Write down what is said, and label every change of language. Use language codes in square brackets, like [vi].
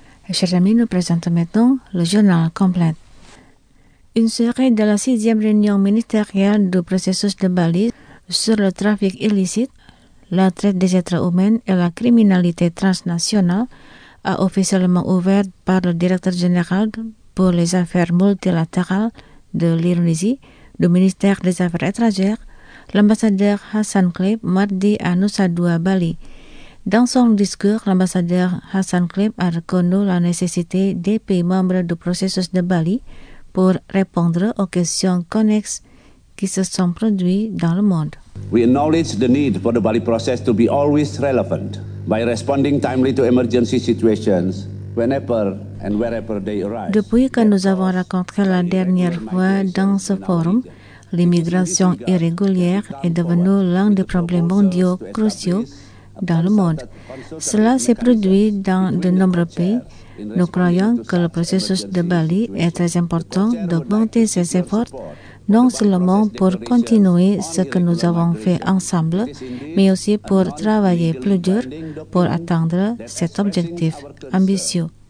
[fr] Chers amis, nous présentons maintenant le journal complet. Une série de la sixième réunion ministérielle du processus de Bali sur le trafic illicite, la traite des êtres humains et la criminalité transnationale a officiellement ouvert par le directeur général pour les affaires multilatérales de l'Indonésie, du ministère des Affaires étrangères, l'ambassadeur Hassan Klip, mardi à Nusa Dua, Bali. Dans son discours, l'ambassadeur Hassan Klip a reconnu la nécessité des pays membres du processus de Bali pour répondre aux questions connexes qui se sont produites dans le monde. [en] We acknowledge the need for the Bali process to be always relevant by responding timely to emergency situations whenever and wherever they arise. [fr] Depuis que nous avons rencontré la dernière fois dans ce forum, l'immigration irrégulière est devenue l'un des problèmes mondiaux cruciaux dans le monde. Cela s'est produit dans de nombreux pays. Nous croyons que le processus de Bali est très important d'augmenter ses efforts, non seulement pour continuer ce que nous avons fait ensemble, mais aussi pour travailler plus dur pour atteindre cet objectif ambitieux.